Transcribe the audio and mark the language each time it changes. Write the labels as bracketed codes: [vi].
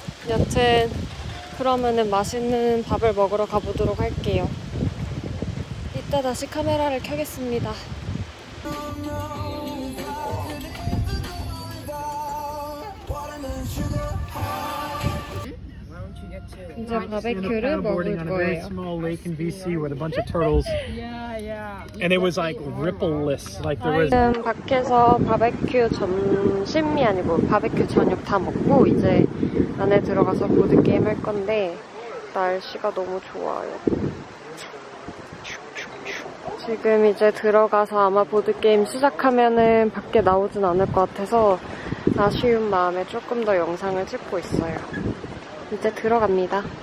[ko] 여튼 그러면은 맛있는 밥을 먹으러 가보도록 할게요. 이따 다시 카메라를 켜겠습니다. 이제 바베큐를 먹을 거예요. [en] A small lake in BC with a bunch of turtles. And it was like ripple-less. Like there was... [ko] 지금 밖에서 바베큐 점심이 아니고 바베큐 저녁 다 먹고 이제 안에 들어가서 보드게임 할 건데 날씨가 너무 좋아요. 지금 이제 들어가서 아마 보드게임 시작하면은 밖에 나오진 않을 것 같아서 아쉬운 마음에 조금 더 영상을 찍고 있어요. 이제 들어갑니다.